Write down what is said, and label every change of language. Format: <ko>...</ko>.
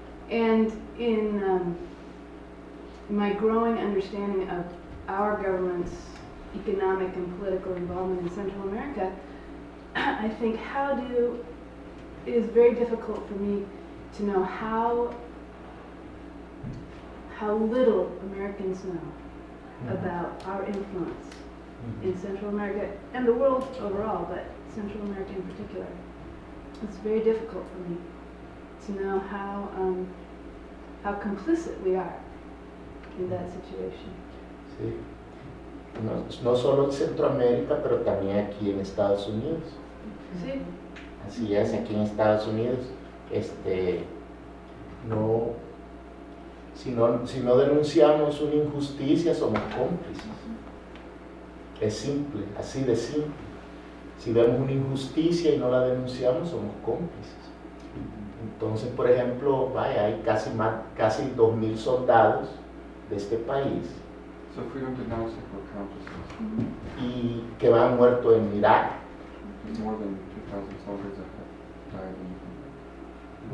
<en>And in my growing understanding of our government's economic and political involvement in Central America, I think it is very difficult for me to know how little Americans know about our influence in Central America and the world overall, but Central America in particular. It's very difficult for me to know how complicit we are in that situation.</en> <es>Sí. No, no solo en Centroamérica, pero también aquí en Estados Unidos. Sí. Así es, aquí en Estados Unidos, si no denunciamos una injusticia, somos cómplices. Es simple, así de simple. Si vemos una injusticia y no la denunciamos, somos cómplices. Entonces, por ejemplo, vaya, hay casi 2,000 soldados de este país.</es> <en>So if we don't denounce it, we're complices.</en> <es>Y que van muertos en Irak.</es> <en>More than 2,000 soldiers that have died in Iraq.</en>